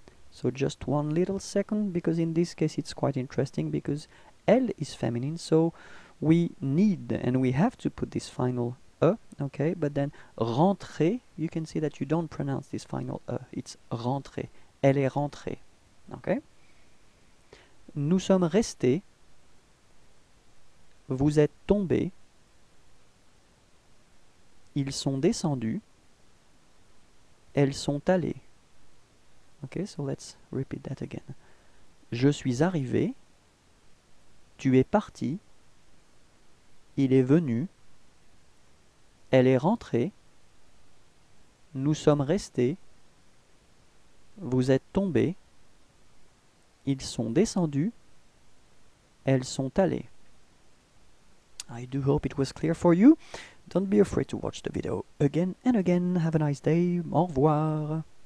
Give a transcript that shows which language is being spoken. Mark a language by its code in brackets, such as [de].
[en] So just one little second, because in this case it's quite interesting, because elle is feminine, so we need and we have to put this final e, okay? But then rentrée, you can see that you don't pronounce this final e, it's rentrée, [fr] elle est rentrée, [en] okay? [fr] Nous sommes restés, vous êtes tombés, ils sont descendus, elles sont allées. [en] Okay, so let's repeat that again. [fr] Je suis arrivé, tu es parti, il est venu, elle est rentrée, nous sommes restés, vous êtes tombés, ils sont descendus, elles sont allées. [en] I do hope it was clear for you. Don't be afraid to watch the video again and again. Have a nice day. [fr] Au revoir.